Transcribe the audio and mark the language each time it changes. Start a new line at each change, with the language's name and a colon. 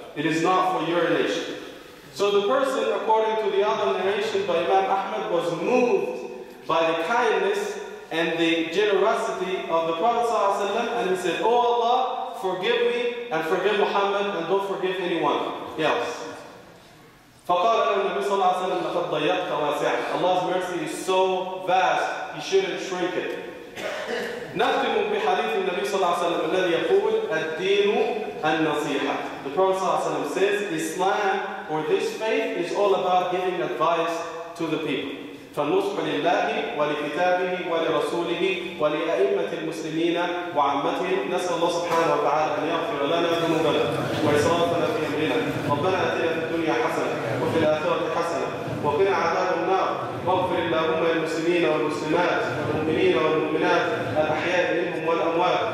English: It is not for urination." So the person, according to the other narration by Imam Ahmad, was moved by the kindness and the generosity of the Prophet ﷺ, and he said, "Oh Allah, forgive me and forgive Muhammad and don't forgive anyone else."
Arabic: فقال له النبي صلى الله عليه وسلم لقد ضيقت واسعا.
English: Allah's mercy is so vast, he shouldn't shrink it.
Arabic: نختم بحديث النبي صلى الله عليه وسلم الذي يقول الدين النصيحة.
English: The Prophet
Arabic: صلى الله عليه وسلم
English: says Islam or this faith is all about giving advice to the people.
Arabic: فالنصح لله ولكتابه ولرسوله ولأئمة المسلمين وعامتهم. نسأل الله سبحانه وتعالى أن يغفر لنا ذنوبنا وإسرافنا في أمرنا. ربنا آتنا في الدنيا حسنة وفي الآخرة حسنة وقنا عذاب النار. واغفر اللهم للمسلمين والمسلمات والمؤمنين والمؤمنات الأحياء منهم والأموات.